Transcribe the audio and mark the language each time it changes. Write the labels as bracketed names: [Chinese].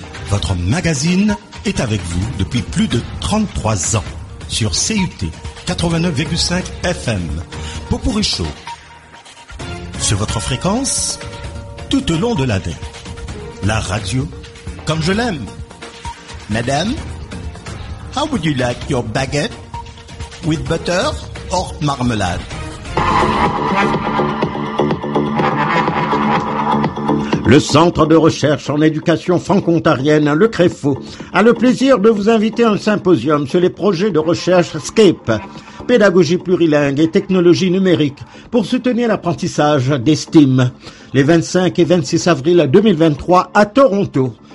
[French] Votre magazine est avec vous depuis plus de 33 ans. Sur CUT 89,5 FM, Popourri Show, sur votre fréquence, tout au long de l'année, la radio, comme je l'aime. [English] Madame, how would you like your baguette, with butter or marmelade? [French] Le Centre de recherche en éducation franco-ontarienne, le CREFO, a le plaisir de vous inviter à un symposium sur les projets de recherche SCAPE, pédagogie plurilingue et technologie numérique, pour soutenir l'apprentissage des STEAM, les 25 et 26 avril 2023 à Toronto.